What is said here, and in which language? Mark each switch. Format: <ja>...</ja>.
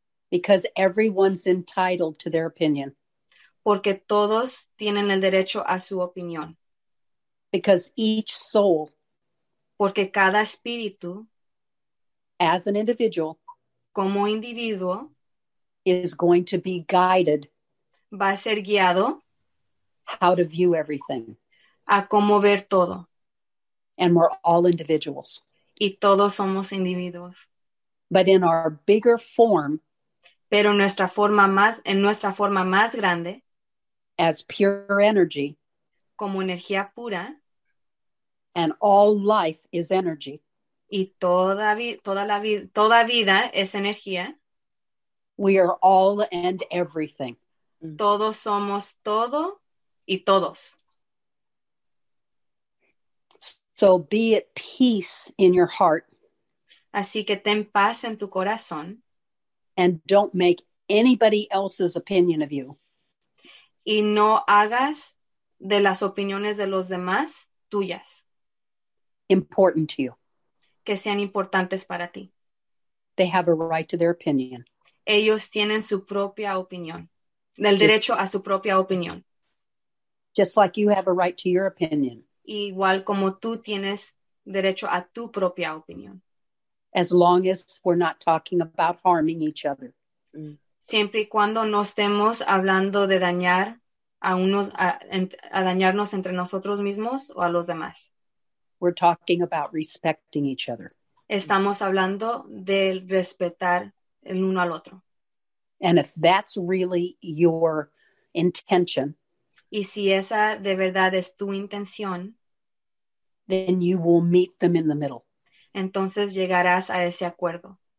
<en>Because everyone's entitled to their opinion.</en> <es>Porque todos tienen el derecho a su opinión.</es> <en>Because each soul.</en> <es>Porque cada espíritu.</es> <en>As an individual.</en> <es>Como individuo</es> <en>is going to be guided</en> <es>va a ser guiado</es> <en>how to view everything</en> <es>a cómo ver todo</es> <en>and we're all individuals</en> <es>y todos somos individuos</es> <en>but in our bigger form.</en> <es>Pero nuestra forma más, en nuestra forma más grande.</es> <en>As pure energy.</en> <es>Como energía pura.</es> <en>And all life is energy.</en> <es>Y toda vida es energía.</es> <en>We are all and everything.</en> <es>Todos somos todo y todos.</es> <en>So be at peace in your heart.</en> <es>Así que ten paz en tu corazón.</es> <en>And don't make anybody else's opinion of you.</en> <es>Y no hagas de las opiniones de los demás tuyas.</es> <en>Important to you.</en> <es>Que sean importantes para ti.</es> <en>They have a right to their opinion.</en> <es>Ellos tienen su propia opinión. Del derecho a su propia opinión.</es> <en>Just like you have a right to your opinion.</en> <es>Igual como tú tienes derecho a tu propia opinión.</es> <en>As long as we're not talking about harming each other.</en> <es>Siempre y cuando no estemos hablando de dañar a unos, a dañarnos entre nosotros mismos o a los demás.</es> <en>We're talking about respecting each other.</en> <es>Estamos hablando de respetar el uno al otro.</es> <en>And if that's really your intention.</en> <es>Y si esa de verdad es tu intención.</es> <en>Then you will meet them in the middle.</en> <es>Entonces llegarás a ese acuerdo.</es>